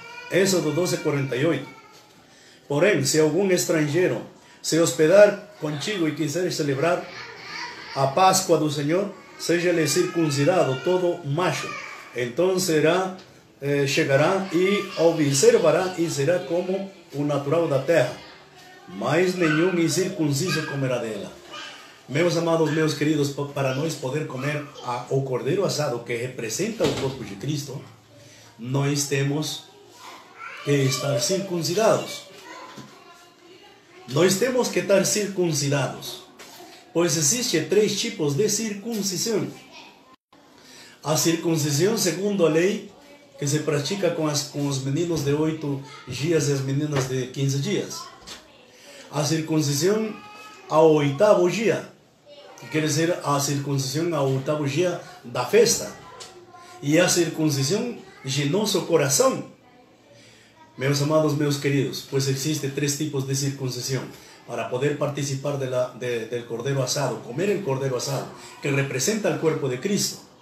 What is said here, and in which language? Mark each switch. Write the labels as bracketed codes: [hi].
[es] Éxodo 12, 48. Porém, si algún extranjero se hospedar contigo y quisiera celebrar a Pascua del Señor, séjale circuncidado todo macho. Entonces llegará y observará y será como un natural de la tierra. Mas ningún incircunciso comerá de ella. [pt] Meus amados, meus queridos, para nós poder comer o cordeiro asado que representa o corpo de Cristo, nós temos que estar circuncidados. Nós temos que estar circuncidados. Pois existe três tipos de circuncisão. A circuncisão segundo a lei [es] que se practica con los meninos de 8 días y las meninas de 15 días. A circuncisión al oitavo día, que quiere decir a circuncisión al oitavo día da festa. Y a circuncisión de nuestro corazón. [pt] Meus amados, meus queridos, [es] pues existe tres tipos de circuncisión para poder participar de del cordero asado, comer el cordero asado, que representa el cuerpo de Cristo.